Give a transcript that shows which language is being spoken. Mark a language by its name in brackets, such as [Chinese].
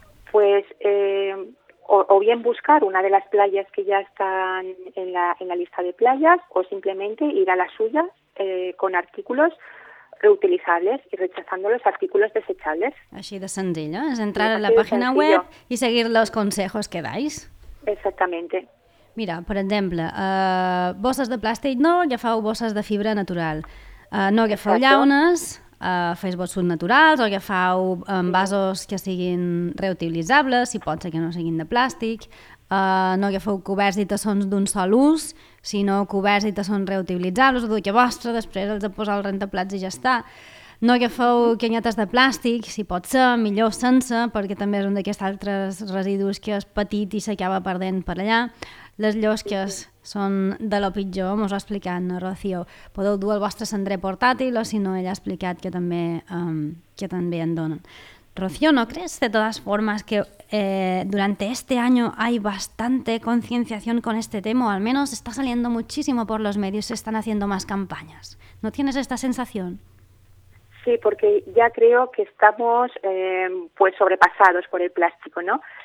[Spanish] Pues o bien buscar una de las playas que ya están en la lista de playas, o simplemente ir a la suya con artículos reutilizables y rechazando los artículos desechables. Así de sencillo, es entrar a la página web y seguir los consejos que dais. Exactamente. Mira, por ejemplo, [Catalan] bosses de plàstic no, ja fau bosses de fibra natural. No agafeu llaunes, feu bossos naturals, o agafeu vasos que siguin reutilitzables, si pot ser que no siguin de plàstic. No agafeu coberts i tassons d'un sol ús, sinó coberts i tassons reutilitzables, o duia vostre, després els de posar al rentaplats i ja està. No agafeu canyetes de plàstic, si pot ser, millor sense, perquè també és un d'aquests altres residus que és petit i s'acaba perdent per allà. Les llosques són de lo pitjor, m'ho va explicar en Rocío. Podeu dur el vostre cendrer portàtil, o si no, ella ha explicat que també en donen. [Spanish] Rocío, ¿no crees de todas formas que durante este año hay bastante concienciación con este tema, o al menos está saliendo muchísimo por los medios, se están haciendo más campañas? ¿No tienes esta sensación? Sí, porque ya creo que estamos pues sobrepasados por el plástico, ¿no?